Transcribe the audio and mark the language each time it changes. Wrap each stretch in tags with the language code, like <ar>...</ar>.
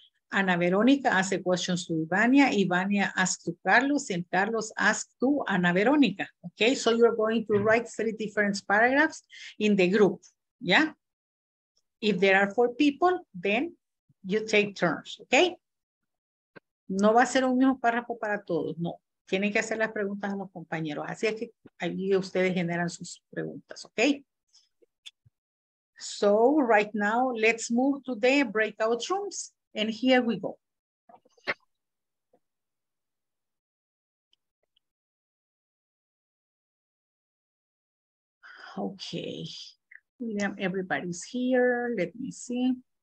<en>Ana Verónica hace questions to Ivania, Ivania asks to Carlos, and Carlos asks to Ana Verónica. Okay, so you're going to write three different paragraphs in the group, yeah? If there are four people, then you take turns, okay?</en> <es>No va a ser un mismo párrafo para todos, no. Tienen que hacer las preguntas a los compañeros, así es que ahí ustedes generan sus preguntas, okay?</es> <en>So right now, let's move to the breakout rooms. And here we go. Okay, William, everybody's here. Let me see.</en>